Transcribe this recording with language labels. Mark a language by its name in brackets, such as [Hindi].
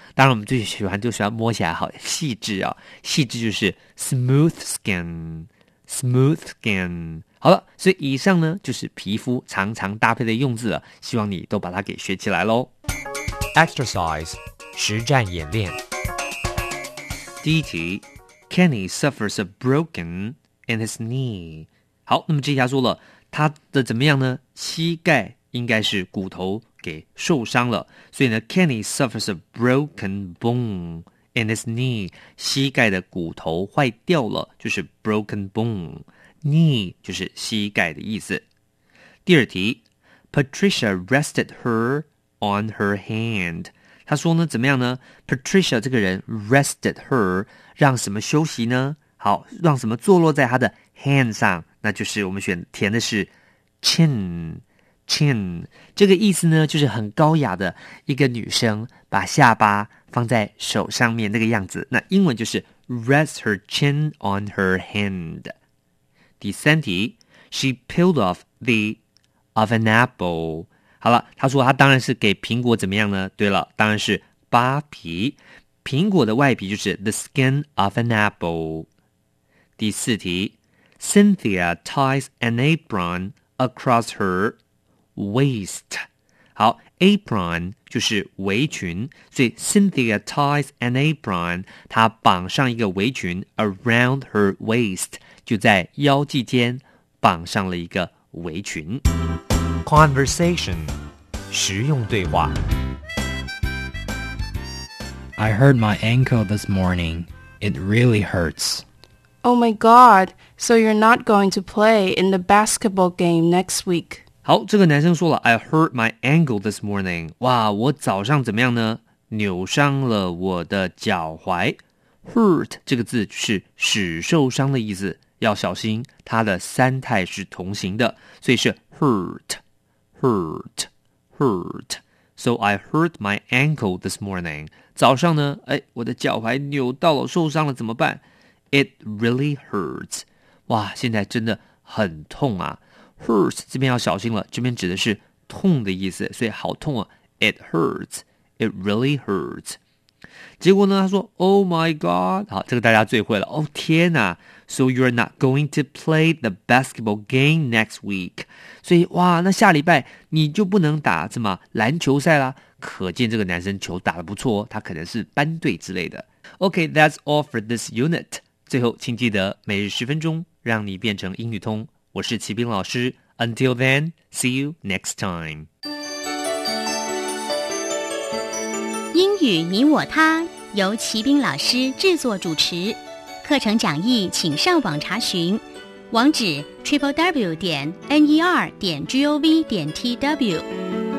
[Chinese] 当然我们最喜欢就喜欢摸起来好细致啊、哦、细致就是 [English] smooth skin,smooth skin。 [Chinese] 好了，所以以上呢就是皮肤常常搭配的用字了，希望你都把它给学起来咯。 Exercise 实战演练。第一题， [English] Kenny suffers a broken in his knee。 [Chinese] 好，那么这下说了他的怎么样呢？膝盖应该是骨头给受伤了，所以呢 [English] Kenny suffers a broken boneIn his knee, [Chinese] 膝盖的骨头坏掉了，就是 broken bone, knee 就是膝盖的意思。第二题， [English] Patricia rested her on her hand。 [Chinese] 他说呢怎么样呢？ Patricia 这个人 [English] rested her, [Chinese] 让什么休息呢？好，让什么坐落在他的 hand 上，那就是我们选填的是 chin。 Chin 这个意思呢就是很高雅的一个女生把下巴放在手上面那个样子，那英文就是 [English] rest her chin on her hand。 [Chinese] 第三题， [English] She peeled off the of an apple。 [Chinese] 好了，她说她当然是给苹果怎么样呢？对了，当然是扒皮，苹果的外皮就是 [English] the skin of an apple。 [Chinese] 第四题， [English] Cynthia ties an apron across herwaist。 [Chinese] 好， apron 就是围裙，所以 [English] Cynthia ties an apron, [Chinese] 她绑上一个围裙 [English] around her waist, [Chinese] 就在腰际间绑上了一个围裙。 Conversation 实用对话。 [English] I hurt my ankle this morning. It really hurts. Oh my god, so you're not going to play in the basketball game next week? [Chinese] 好，这个男生说了 [English] I hurt my ankle this morning。 [Chinese] 哇，我早上怎么样呢？扭伤了我的脚踝。 hurt 这个字是使受伤的意思，要小心它的三态是同形的，所以是 [English] hurt hurt hurt。 So I hurt my ankle this morning。 [Chinese] 早上呢，哎，我的脚踝扭到了，受伤了，怎么办？ [English] It really hurts。 [Chinese] 哇，现在真的很痛啊。 Hurts 这边要小心了，这边指的是痛的意思，所以好痛啊。 [English] It hurts, it really hurts。 [Chinese] 结果呢他说 [English] Oh my god, [Chinese] 好，这个大家最会了。哦天哪， [English] So you're not going to play the basketball game next week。 [Chinese] 所以哇，那下礼拜你就不能打什么篮球赛啦。可见这个男生球打得不错，他可能是班队之类的。 [English] OK, that's all for this unit。 [Chinese] 最后请记得每日十分钟，让你变成英语通。我是齐斌老师。 [English] Until then, see you next time. [Chinese] 英语你我他由齐斌老师制作主持，课程讲义请上网查询，网址 www.ner.gov.tw。